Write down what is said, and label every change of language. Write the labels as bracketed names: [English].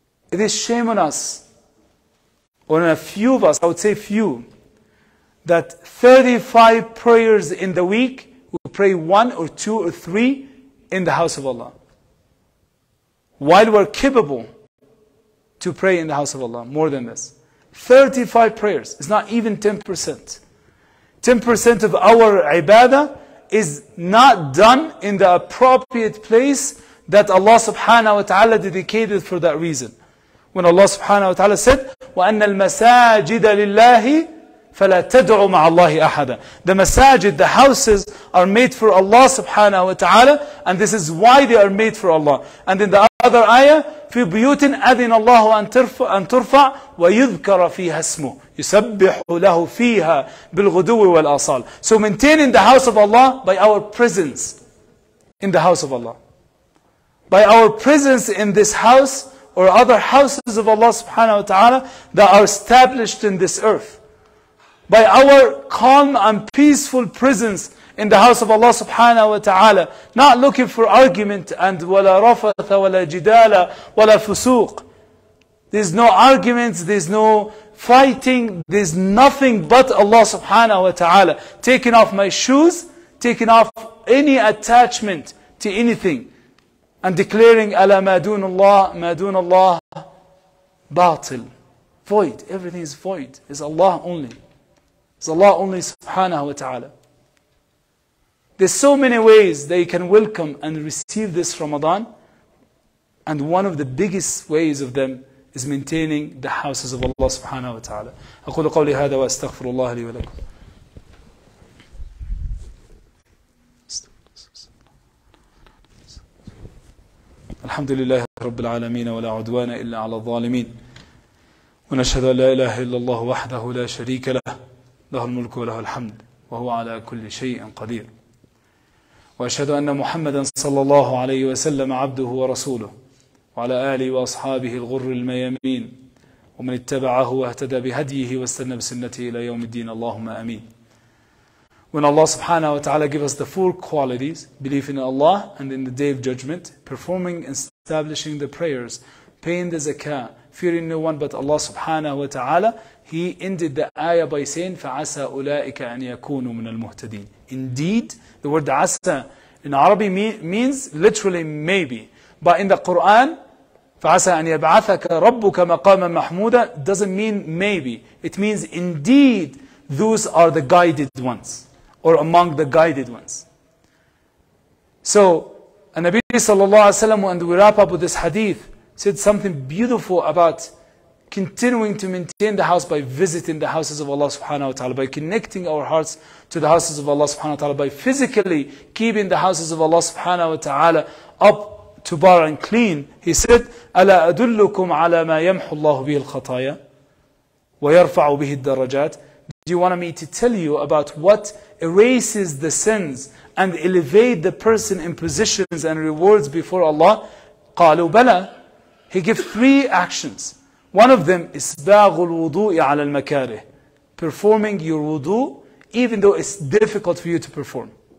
[English] It is shame on us, or on a few of us, I would say few, that 35 prayers in the week, we pray one or two or three in the house of Allah, while we're capable to pray in the house of Allah more than this. 35 prayers, it's not even 10%. 10% of our ibadah is not done in the appropriate place that Allah subhanahu wa ta'ala dedicated for that reason. When Allah subhanahu wa ta'ala said, [Arabic] وَأَنَّ الْمَسَاجِدَ لِلَّهِ فَلَا تَدْعُوا مَعَ اللَّهِ أَحَدًا. [English] The masajid, the houses, are made for Allah subhanahu wa ta'ala, and this is why they are made for Allah. And in the other ayah, [Arabic] في بيوت أذن الله أن ترفع ويذكر فيها اسمه يسبح له فيها بالغدو والأصال. [English] So maintaining the house of Allah by our presence in the house of Allah, by our presence in this house or other houses of Allah subhanahu wa ta'ala that are established in this earth, by our calm and peaceful presence in the house of Allah subhanahu wa ta'ala, not looking for argument and [Arabic] ولا رفث ولا جدال ولا فسوق. [English] There's no arguments, there's no fighting, there's nothing but Allah subhanahu wa ta'ala. Taking off my shoes, taking off any attachment to anything, and declaring [Arabic] ألا ما دون الله باطل. [English] Void, everything is void. It's Allah only. It's Allah only subhanahu wa ta'ala. There's so many ways that you can welcome and receive this Ramadan. And one of the biggest ways of them is maintaining the houses of Allah subhanahu wa ta'ala. [Arabic] أقول قولي هذا وأستغفر الله لي ولكم. الحمد لله رب العالمين ولا عدوان إلا على الظالمين. ونشهد أن لا إله إلا الله وحده لا شريك له. له الملك وله الحمد. وهو على كل شيء قدير. وأشهد أن محمدا صلى الله عليه وسلم عبده ورسوله، وعلى آله وأصحابه الغر الميامين، ومن اتبعه واهتدى بهديه واستنى بسنته إلى يوم الدين، اللهم آمين. [English] When Allah subhanahu wa ta'ala gives us the four qualities, belief in Allah and in the Day of Judgment, performing and establishing the prayers, paying the zakah, fearing no one but Allah subhanahu wa ta'ala, He ended the ayah by saying, [Arabic] فَعَسَى أُولَٰئِكَ أَنْ يَكُونُوا مِنَ الْمُهْتَدِينَ. [English] Indeed, the word asa in Arabic means literally maybe. But in the Quran, [Arabic] فَعَسَى أَنْ يَبْعَثَكَ رَبُّكَ مَقَامًا مَحْمُودًا [English] doesn't mean maybe. It means indeed, those are the guided ones, or among the guided ones. So, Nabi sallallahu alayhi wa sallam, and we wrap up with this hadith, said something beautiful about continuing to maintain the house by visiting the houses of Allah subhanahu wa ta'ala, by connecting our hearts to the houses of Allah subhanahu wa ta'ala, by physically keeping the houses of Allah subhanahu wa ta'ala up to bar and clean. He said, [Arabic] أَلَا أَدُلُّكُمْ عَلَى مَا يَمْحُ اللَّهُ بِهِ الْخَطَايَا وَيَرْفَعُ بِهِ الدَّرَجَاتِ. [English] Do you want me to tell you about what erases the sins and elevate the person in positions and rewards before Allah? [Arabic] قَالُوا بَلَى. [English] He gives three actions. One of them is [Arabic] إِسْبَاغُ الْوُضُوءِ عَلَى الْمَكَارِهِ. [English] Performing your wudu, even though it's difficult for you to perform.